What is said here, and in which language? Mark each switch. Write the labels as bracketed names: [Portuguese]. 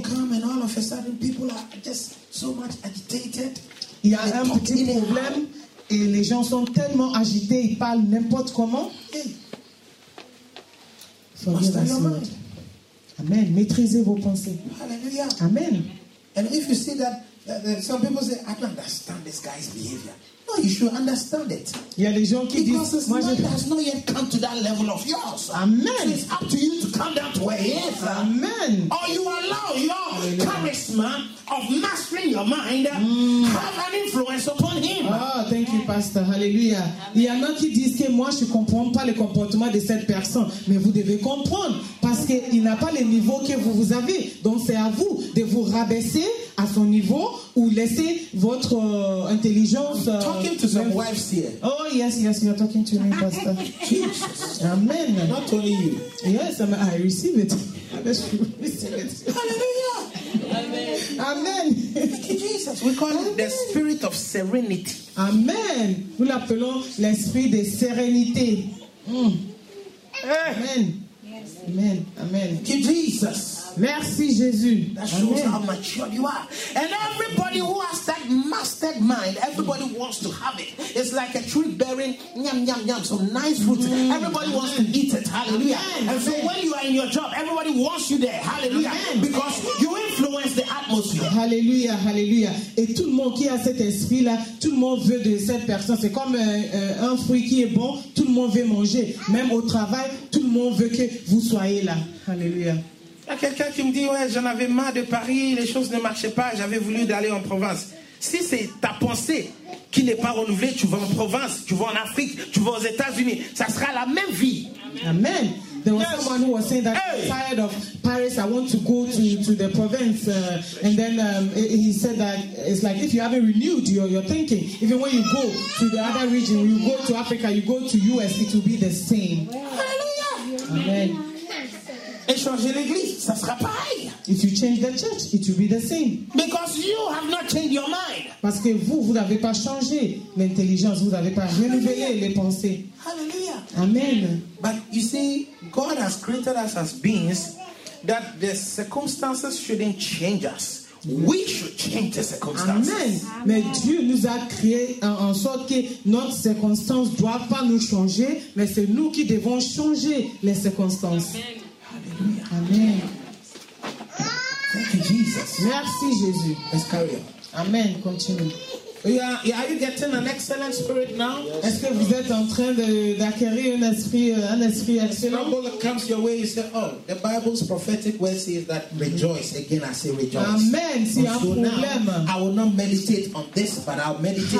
[English] Trouble come and all of a sudden people are just so much agitated. [French] Il y a un petit problème et les gens sont tellement agités, ils parlent n'importe comment. [English] Hey. Master your mind. [French] Amen. Maîtrisez vos pensées. Hallelujah. Amen. [English] And if you see that some people say, I don't understand this guy's behavior. No, you should understand it. [French] Il y a des gens qui [English] because [French] disent, [English] his mind has not yet come to that level of yours. Amen. So it's up to you to come down to where he is. Amen. Or you allow your charisma of mastering your mind have an influence upon him. Oh, thank you, Pastor. Hallelujah. [French] Il y en a qui disent que moi, je ne comprends pas le comportement de cette personne. Mais vous devez comprendre, parce qu'il n'a pas le niveau que vous avez. Donc, c'est à vous de vous rabaisser à son niveau ou laisser votre intelligence. [English] I'm talking to some wives here. Oh, yes, you're talking to me, Pastor. Jesus. Amen. Not only you. Yes, I receive it. Let's receive it. Hallelujah. Amen. Jesus, we call it the spirit of serenity. [French] Amen. Nous l'appelons l'esprit de sérénité. Amen. Amen. Amen. [English] Thank you, Jesus. [French] Merci, Jésus. [English] That shows how mature you are. And everybody who has that mastered mind, everybody wants to have it. It's like a tree bearing yum, yum, yum, some nice fruit. Everybody wants to eat it. Hallelujah. Amen. And so when you are in your job, everybody wants you there. Hallelujah. Amen. Because you influence the atmosphere. Hallelujah, hallelujah. [French] Et tout le monde qui a cet esprit-là, tout le monde veut de cette personne. C'est comme un fruit qui est bon, tout le monde veut manger. Même au travail, tout le monde veut que vous soyez là. Hallelujah. Il y a quelqu'un qui me dit, ouais, j'en avais marre de Paris, les choses ne marchaient pas, j'avais voulu d'aller en province. Si c'est ta pensée qui n'est pas renouvelée, tu vas en province, tu vas en Afrique, tu vas aux États-Unis, ça sera la même vie. Amen. [English] There was someone who was saying that I'm tired of Paris, I want to go to the province. And then he said that it's like if you haven't renewed your thinking, even when you go to the other region, you go to Africa, you go to US, it will be the same. Hallelujah. Amen. [French] et changer l'église, ça sera pareil. [English] If you change the church, it will be the same. Because you have not changed your mind. [French] Parce que vous, vous n'avez pas changé l'intelligence, vous n'avez pas renouvelé les pensées. Hallelujah. Amen. [English] But you see, God has created us as beings that the circumstances shouldn't change us. We should change the circumstances. Amen. Amen. [French] Mais Dieu nous a créé en sorte que notre circonstance ne doit pas nous changer, mais c'est nous qui devons changer les circonstances. Amen. Amen. [English] Thank you, Jesus. [French] Merci Jésus. [English] Let's carry on. Amen. Continue. Are you getting an excellent spirit now? Yes. [French] Est-ce que vous êtes en train d'acquérir un esprit excellent? [English] When trouble comes your way, you say, "Oh, the Bible's prophetic word says that rejoice." Again, I say rejoice. [French] Amen. Si un problème, [English] now, I will not meditate on this, but I'll meditate